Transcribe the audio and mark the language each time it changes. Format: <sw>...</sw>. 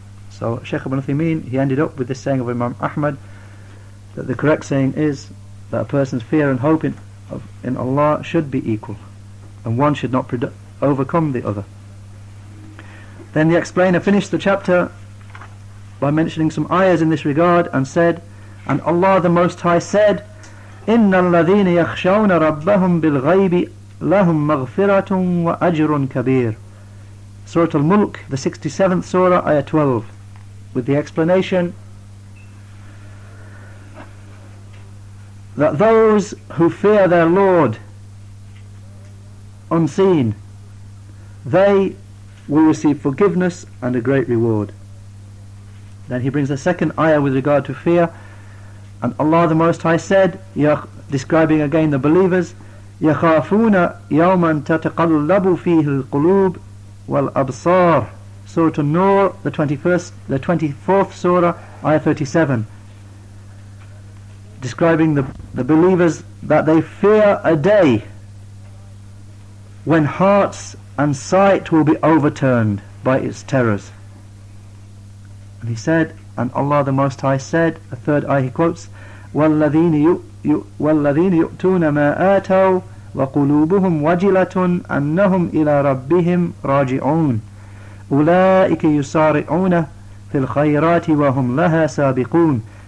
<en>So Shaykh Ibn Uthaymeen, he ended up with this saying of Imam Ahmad, that the correct saying is that a person's fear and hope in Allah should be equal, and one should not overcome the other. Then the explainer finished the chapter by mentioning some ayahs in this regard and said, and Allah the Most High said,</en> <ar>إن الذين يخشون ربهم بالغيب لهم مغفرة وأجر كبير.</ar> <en>Surah Al-Mulk, the 67th Surah, Ayah 12, with the explanation that those who fear their Lord unseen, they will receive forgiveness and a great reward. Then he brings a second ayah with regard to fear, and Allah the Most High said, describing again the believers,</en> <ar>يَخَافُونَ يَوْمًا تَتَقَلَّبُ فِيهِ الْقُلُوبِ وَالْأَبْصَارِ.</ar> <en>Surah An-Nur, the 24th Surah, Ayah 37, describing the believers that they fear a day when hearts and sight will be overturned by its terrors. And he said, and Allah the Most High said, a third ayah he quotes,</en> <ar>وَالَّذِينِ يُؤْتُونَ مَا آتَوا وَقُلُوبُهُمْ وَجِلَةٌ أَنَّهُمْ إِلَىٰ رَبِّهِمْ رَاجِعُونَ أُولَٰئِكَ يُسَارِعُونَ فِي الْخَيْرَاتِ وَهُمْ لَهَا سَابِقُونَ.</ar>